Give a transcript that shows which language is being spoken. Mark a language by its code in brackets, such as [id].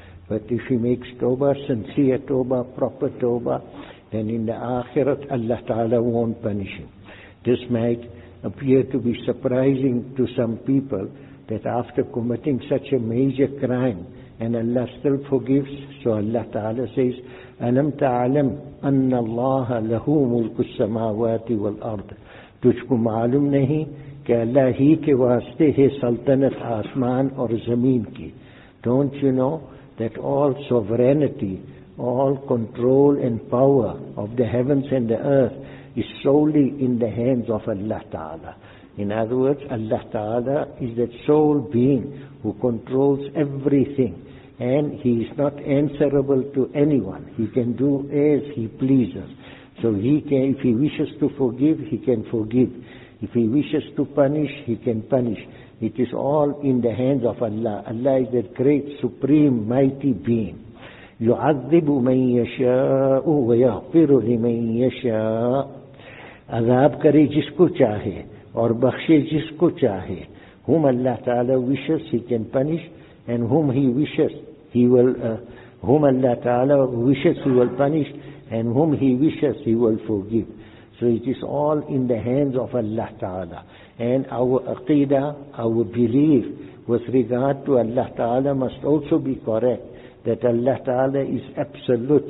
[en] But if he makes tawbah, sincere tawbah, proper tawbah, then in the akhirah, Allah Ta'ala won't punish him. This might appear to be surprising to some people, that after committing such a major crime, and Allah still forgives. So Allah Ta'ala says, [ar] أَلَمْ تَعْلَمْ أَنَّ اللَّهَ لَهُ مُلْكُ السَّمَاوَاتِ وَالْأَرْضِ. [ur] تُجْكُ مَعْلُمْ نَهِي کہ اللہ ہی کے واسطے ہے سلطنت آسمان اور زمین کی. [en] Don't you know that all sovereignty, all control and power of the heavens and the earth is solely in the hands of Allah Ta'ala. In other words, Allah Ta'ala is that sole being who controls everything, and he is not answerable to anyone. He can do as he pleases. So he can, if he wishes to forgive, he can forgive. If he wishes to punish, he can punish. It is all in the hands of Allah. Allah is that great, supreme, mighty being. [ar] يُعَذِّبُ مَنْ يَشَاءُ وَيَغْفِرُ لِمَنْ يَشَاءُ. [ur] عذاب کرے جس کو چاہے اور بخشے جس کو چاہے. [en] Whom Allah Ta'ala wishes, he can punish, and whom he wishes, he will whom Allah Ta'ala wishes, he will punish, and whom he wishes, he will forgive. So it is all in the hands of Allah Ta'ala. And our aqidah, our belief with regard to Allah Ta'ala must also be correct, that Allah Ta'ala is absolute.